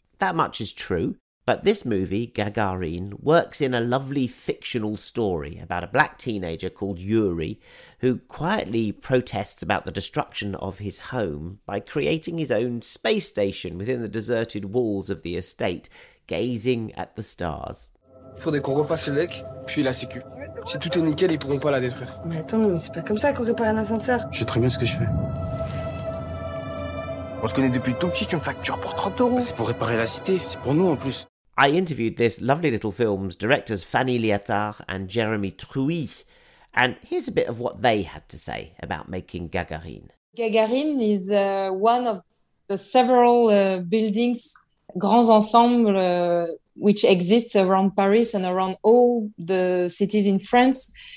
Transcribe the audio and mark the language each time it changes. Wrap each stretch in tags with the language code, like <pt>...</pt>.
<en>That much is true, but this movie, Gagarine, works in a lovely fictional story about a black teenager called Yuri, who quietly protests about the destruction of his home by creating his own space station within the deserted walls of the estate, gazing at the stars.</en> <fr>Faut des qu'on refasse le lec, puis la sécu. Si tout est nickel, ils pourront pas la détruire. Mais attends, mais c'est pas comme ça qu'on répare un ascenseur. Je sais très bien ce que je fais. On se connaît depuis tout petit, tu me factures pour 30 euros. C'est pour réparer la cité, c'est pour nous en plus.</fr> <en>I interviewed this lovely little film's directors Fanny Liattard and Jeremy Truy, and here's a bit of what they had to say about making Gagarine. Gagarine is one of several buildings, grands ensembles, which exist around Paris and around all the cities in France.</en>